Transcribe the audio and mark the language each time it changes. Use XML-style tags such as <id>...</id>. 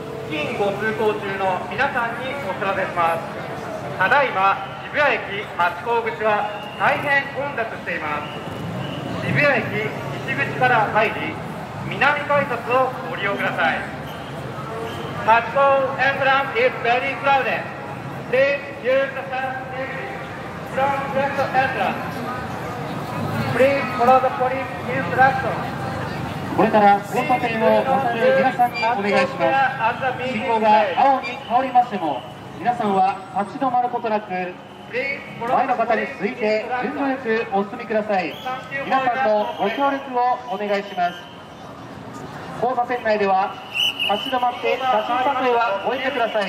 <ja>近ご通行中の皆さんにお知らせします。ただいま渋谷駅八甲口は大変混雑しています。渋谷駅西口から入り、南改札をご利用ください。</ja> <en>八甲entrance is very crowded. Please use the exit from west entrance. Please follow the police instructions.</en> <ja>これから交差点を渡る皆さんにお願いします。信号が青に変わりましても、皆さんは立ち止まることなく前の方に続いて順番よくお進みください。皆さんのご協力をお願いします。交差点内では立ち止まって写真撮影はおやめください。</ja>